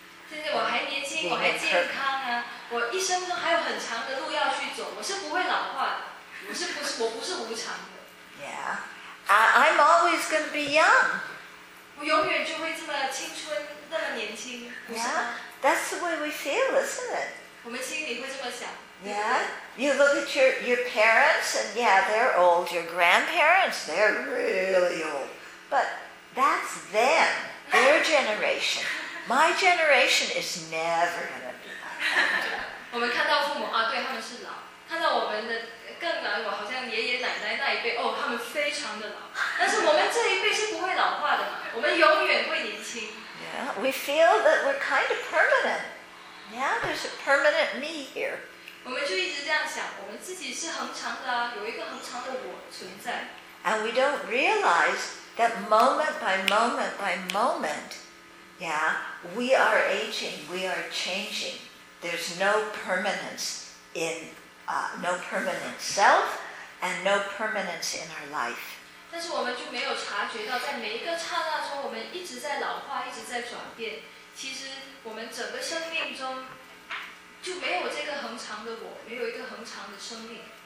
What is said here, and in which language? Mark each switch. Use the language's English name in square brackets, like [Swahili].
[Chinese] 现在我还年轻，我还健康啊！我一生中还有很长的路要去走，我不是不会老化的，我是不是我不是无常的。Yeah, [English] I'm always going to be young. [Chinese] 我永远就会这么青春，那么年轻，不是吗？ [English] Yeah, that's the way we feel, isn't it? [Chinese] 我们心里会这么想。 [English] Yeah, you look at your parents, and yeah, they're old. Your grandparents, they're really old. But that's them, their generation. My generation is never going to be like that. [Chinese] 我们看到父母啊，对，他们是老，看到我们的更老，我好像爷爷奶奶那一辈，哦，他们非常的老，但是我们这一辈是不会老化的嘛，我们永远会年轻。 [English] Yeah, we feel that we're kind of permanent. Yeah, there's a permanent me here. [Chinese] 我们就一直这样想，我们自己是恒常的啊，有一个恒常的我存在。 [English] And we don't realize that moment by moment by moment, yeah, we are aging, we are changing. There's no permanence in, no permanent self, and no permanence in our life. [Chinese] 但是我们就没有察觉到，在每一个刹那中，我们一直在老化，一直在转变。其实我们整个生命中就没有这个恒常的我，没有一个恒常的生命。